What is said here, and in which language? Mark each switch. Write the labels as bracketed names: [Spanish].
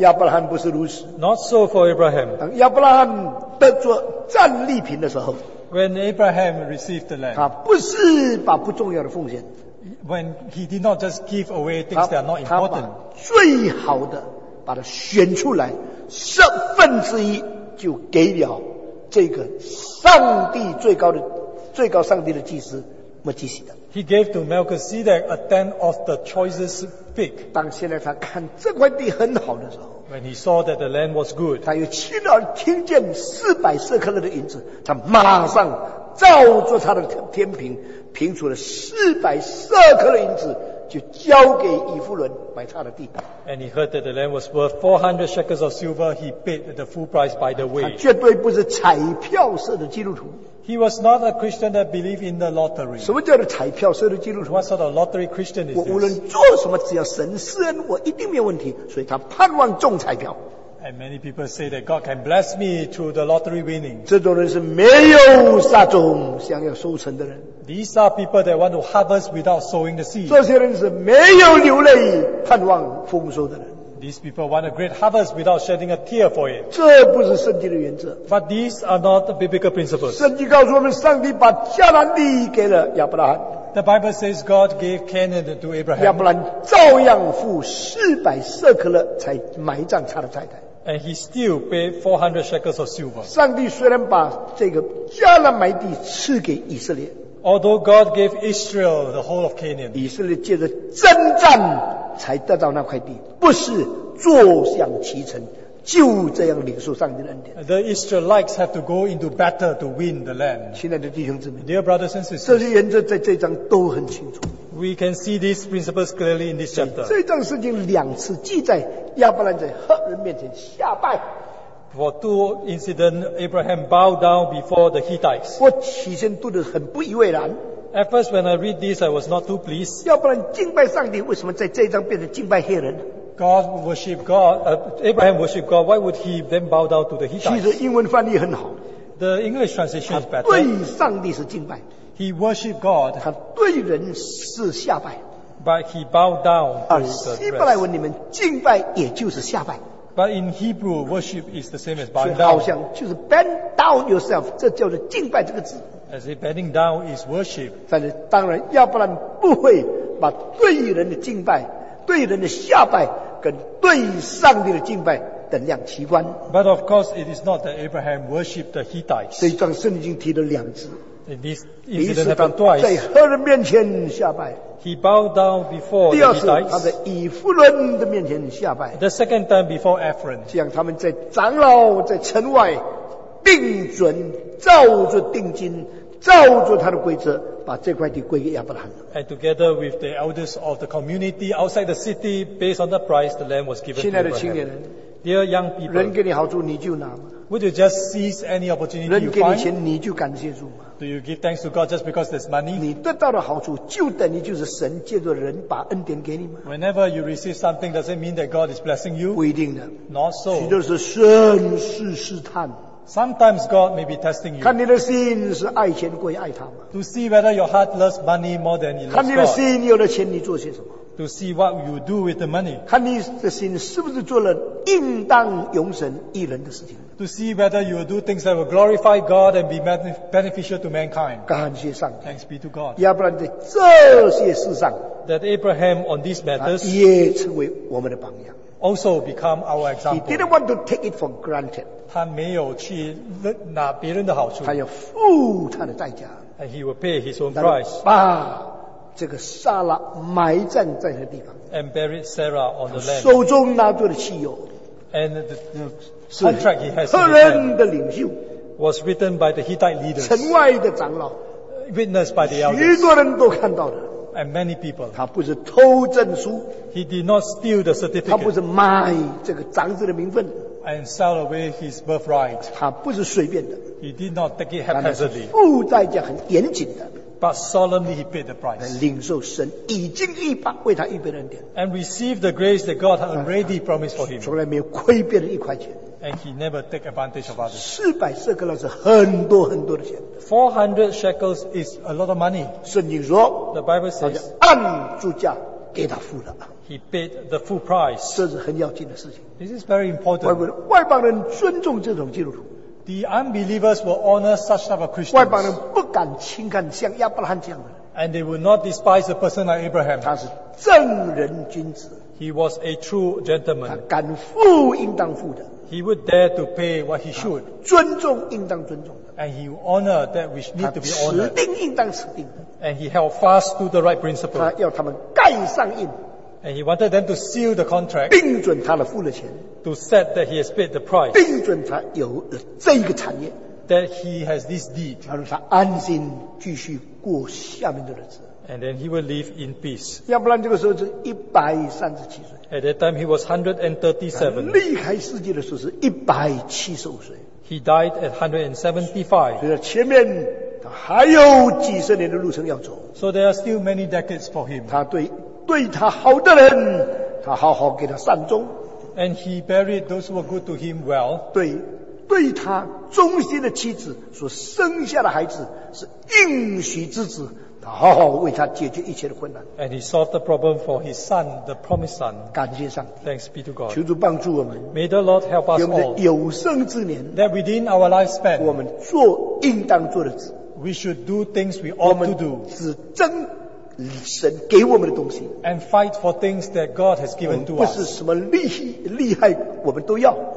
[Chinese] 亚伯拉罕不是如此。 [English] Not so for Abraham. [Chinese] 当亚伯拉罕得着战利品的时候， [English] When Abraham received the land, [Chinese] 他不是把不重要的奉献。 [English] When he did not just give away things that are not important. [Chinese] 他把最好的把它选出来，十分之一就给了这个上帝最高上帝的祭司。 [English] He gave to Melchizedek a tenth of the choicest pig. [Chinese] 当现在他看这块地很好的时候， [English] when he saw that the land was good, [Chinese] 他又亲耳听见400 shekels的银子，他马上照着他的天平评出了400 shekels的银子，就交给以弗伦买他的地。 [English] And he heard that the land was worth 400 shekels of silver. He paid the full price by the way. [Chinese] 他绝对不是彩票式的基督徒。 [English] He was not a Christian that believed in the lottery. [Chinese] 什么叫做彩票式的基督徒？ [English] What sort of lottery Christian is this? [Chinese] 我无论做什么，只要神施恩，我一定没有问题。所以他盼望中彩票。 [English] And many people say that God can bless me through the lottery winning. [Chinese] 这种人是没有撒种想要收成的人。 [English] These are people that want to harvest without sowing the seed. [Chinese] 这些人是没有流泪盼望丰收的人。 [English] These people want a great harvest without shedding a tear for it. [Chinese] 这不是圣经的原则。 [English] But these are not the biblical principles. [Chinese] 圣经告诉我们，上帝把迦南地给了亚伯拉罕。 [English] The Bible says God gave Canaan to Abraham. [Chinese] 亚伯兰照样付400 shekels才埋葬他的太太。 [English] And he still paid 400 shekels of silver. [Chinese] 上帝虽然把这个迦南埋地赐给以色列， [English] although God gave Israel the whole of Canaan, [Chinese] 以色列借着征战才得到那块地，不是坐享其成，就这样领受上帝的恩典。 [English] The Israelites have to go into battle to win the land. [Chinese] 亲爱的弟兄姊妹， [English] dear brothers and sisters, [Chinese] 这些原则在这章都很清楚。 [English] We can see these principles clearly in this chapter. [Chinese] 这章圣经两次记载亚伯兰在赫人面前下拜。 [English] For two incidents, Abraham bowed down before the Hittites. [Chinese] 我起先读得很不以为然。 [English] At first, when I read this, I was not too pleased. [Chinese] 亚伯兰敬拜上帝，为什么在这章变成敬拜黑人？ [English] God worship God, Abraham worship God, why would he then bow down to the Hittites? [Chinese] 其实英文翻译很好。 [English] The English translation is better. [Chinese] 他对上帝是敬拜。 [English] He worship God. [Chinese] 他对人是下拜。 [English] But he bow down to the rest. [Chinese] 希伯来文里面敬拜也就是下拜。 [English] But in Hebrew, worship is the same as bow down. [Chinese] 所以好像就是 [English] bend down yourself, [Chinese] 这叫做敬拜这个字。 [English] As if bending down is worship. [Chinese] 但是当然亚伯兰不会把对人的敬拜对人的下拜跟对上帝的敬拜等量齐观。 [English] But of course, it is not that Abraham worshipped the Hittites. [Chinese] 这一章圣经提了两次。 [English] In this incident, twice. [Chinese] 在赫人面前下拜。 [English] He bowed down before the Hittites. [Chinese] 第二次，他在以弗伦的面前下拜。 [English] The second time before Ephron. [Chinese] 这样，他们在长老在城外定准，照着定金，照着他的规则。把这块地归给亚伯拉罕。 [English] And together with the elders of the community outside the city, based on the price, the land was given to Abraham. [Chinese] 亲爱的青年人， [English] dear young people, [Chinese] 人给你好处你就拿吗？ [English] Would you just seize any opportunity you find? [Chinese] 人给你钱你就感谢主吗？ [English] Do you give thanks to God just because there's money? [Chinese] 你得到的好处就等于就是神借着人把恩典给你吗？ [English] Whenever you receive something, does it mean that God is blessing you? [Chinese] 不一定的。 [English] Not so. [Chinese] 许多是顺势试探。 [English] Sometimes God may be testing you. [Chinese] 看你的心是爱钱过于爱他吗？ [English] To see whether your heart loves money more than you love God. [Chinese] 看你的心有了钱你做些什么？ [English] To see what you do with the money. [Chinese] 看你的心是不是做了应当荣神益人的事情？ [English] To see whether you do things that will glorify God and be beneficial to mankind. [Chinese] 感谢上帝。 [English] Thanks be to God. [Chinese] 亚伯兰在这些事上， [English] that Abraham on these matters [Chinese] 也成为我们的榜样。 [English] Also become our example. He didn't want to take it for granted. [Chinese] 他没有去拿别人的好处。他要付他的代价。 [English] And he will pay his own price. [Chinese] 把这个撒拉埋葬在那个地方。 [English] And buried Sarah on the land. [Chinese] 手中拿住的契约。 [English] And the contract he has. [Chinese] 赫人的领袖。 [English] Was written by the Hittite leaders. [Chinese] 城外的长老。 [English] Witnessed by the elders. [Chinese] 许多人都看到的。 [English] And many people. [Chinese] 他不是偷证书。 [English] He did not steal the certificate. [Chinese] 他不是卖这个长子的名分。 [English] And sell away his birthright. [Chinese] 他不是随便的。 [English] He did not take it haphazardly. [Chinese] 付代价很严谨的。 [English] But solemnly he paid the price. [Chinese] 领受神已经预备为他预备的恩典。 [English] And received the grace that God had already promised for him. [Chinese] 从来没有亏别人一块钱。 [English] And he never take advantage of others. [Chinese] 400 shekels 是很多很多的钱。 [English] 400 shekels is a lot of money. [Chinese] 圣经说， [English] the Bible says, [Chinese] 他就按住价给他付了。 [English] He paid the full price. [Chinese] 这是很要紧的事情。 [English] This is very important. [Chinese] 外邦人尊重这种基督徒。 [English] The unbelievers will honor such type of Christians. [Chinese] 外邦人不敢轻看像亚伯拉罕这样的。 [English] And they will not despise a person like Abraham. [Chinese] 他是正人君子。 [English] He was a true gentleman. [Chinese] 他敢付应当付的。 [English] He would dare to pay what he should. [Chinese] 尊重应当尊重的。 [English] And he honor that which need to be honored. [Chinese] 他持定应当持定的。 [English] And he held fast to the right principle. [Chinese] 他要他们盖上印。 [English] And he wanted them to seal the contract. [Chinese] 并准他了付了钱。 [English] To set that he has paid the price. [Chinese] 并准他有这个产业。 [English] That he has this deed. [Chinese] 他说他安心继续过下面的日子。 [English] And then he will leave in peace. [Chinese] 要不然这个时候是137岁。 [English] At that time he was 137. [Chinese] 离开世界的时候是175岁。 [English] He died at 175. [Chinese] 所以前面他还有几十年的路程要走。 [English] So there are still many decades for him. [Chinese] 他对他好的人，他好好给他善终。 [English] And he buried those who were good to him well. [Chinese] 对他忠心的妻子所生下的孩子是应许之子。好好为他解决一切的困难。 [English] And he solved the problem for his son, the promised son. [Chinese] 感谢上帝。 [English] Thanks be to God. [Chinese] 求主帮助我们。 [English] May the Lord help us all. [Chinese] 给我们的有生之年。 [English] That within our lifespan. [Chinese] 我们做应当做的事。 [English] We should do things we ought to do. [Chinese] 只争神给我们的东西。 [English] And fight for things that God has given to us. [Chinese] 不是什么厉害我们都要。